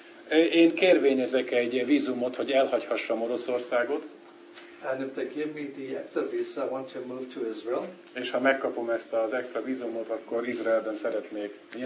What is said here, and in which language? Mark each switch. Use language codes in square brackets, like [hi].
[hu] Én kérvényezek egy vízumot, hogy elhagyhassam Oroszországot. [en] And if they give me the extra visa, I want to move to Israel. [hu] És ha megkapom ezt az extra vízumot, akkor Izraelben szeretnék.